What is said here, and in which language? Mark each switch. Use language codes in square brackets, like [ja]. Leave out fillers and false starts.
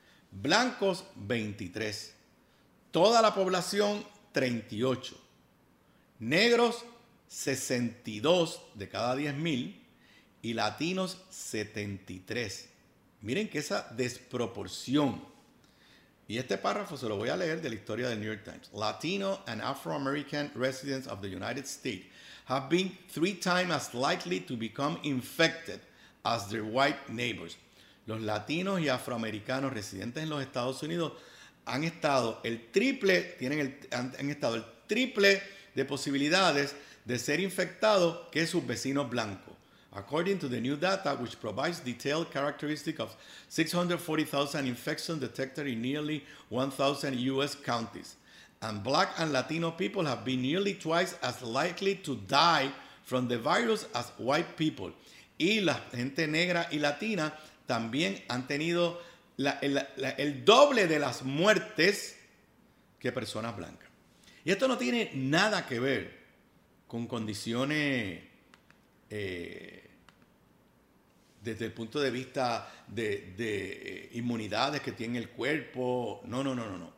[es] Blancos, 23. Toda la población, 38. Negros, 62 de cada 10.000. Y latinos, 73. Miren que esa desproporción. Y este párrafo se lo voy a leer de la historia del New York Times. [en] Latino and Afro-American residents of the United States have been 3 times as likely to become infected as their white neighbors. [es] Los latinos y afroamericanos residentes en los Estados Unidos han estado el triple, han estado el triple de posibilidades de ser infectados que sus vecinos blancos. [en] According to the new data, which provides detailed characteristics of 640,000 infections detected in nearly 1,000 U.S. counties. And black and Latino people have been nearly twice as likely to die from the virus as white people. [es] Y la gente negra y latina también han tenido el doble de las muertes que personas blancas. Y esto no tiene nada que ver con condiciones desde el punto de vista de inmunidades que tiene el cuerpo. No.